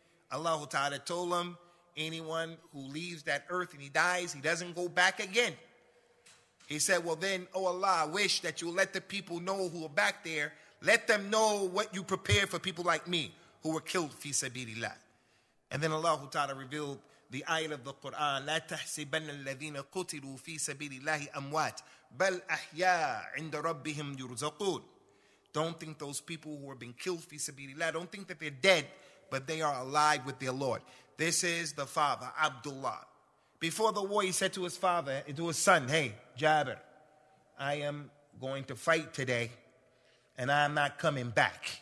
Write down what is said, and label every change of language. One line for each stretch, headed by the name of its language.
English: Allah Ta'ala told him, anyone who leaves that earth and he dies, he doesn't go back again. He said, well then, oh Allah, I wish that you let the people know who are back there, let them know what you prepared for people like me who were killed fi sabilillah.
Arabic: And then Allah Ta'ala revealed the ayat of the Quran, لَا تَحْسِبَنَّ الَّذِينَ قُتِلُوا فِي سَبِيلِ اللَّهِ أَمْوَاتٍ بَلْ أَحْيَا عِنْدَ رَبِّهِمْ يُرْزَقُونَ.
English: Don't think those people who have been killed fi sabilillah, don't think that they're dead, but they are alive with their Lord. This is the father, Abdullah. Before the war, he said to his father, to his son, hey, Jabir, I am going to fight today, and I am not coming back.